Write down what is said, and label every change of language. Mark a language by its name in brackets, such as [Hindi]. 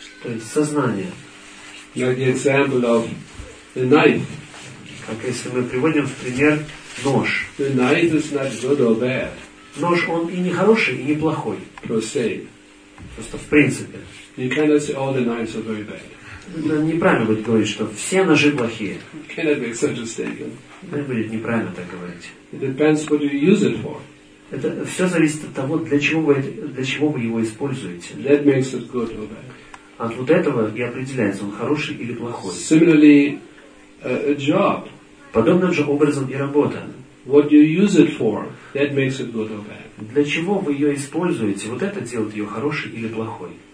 [Russian] То есть сознание. [English] Like the example of the knife. [Russian] Как если мы приводим в пример нож. [English] The knife is not good or bad. [Russian] Нож, он и не хороший, и не плохой. [English] Per se. [Russian] Просто в принципе. [English] You cannot say all the knives are very bad. [Russian] Неправильно будет говорить, что все ножи плохие. [English] You cannot make such a statement. [Russian] Это будет неправильно так говорить. [English] It depends what you use it for. [Russian] Это все зависит от того, для чего вы его используете. [English] That makes it good or bad. [Russian] От вот этого и определяется, он хороший или плохой. [English] Similarly, a job. [Russian] Подобным же образом и работа. [English] What you use it for, that makes it good or bad. [Russian] Для чего вы ее используете, вот это делает ее хорошей или плохой.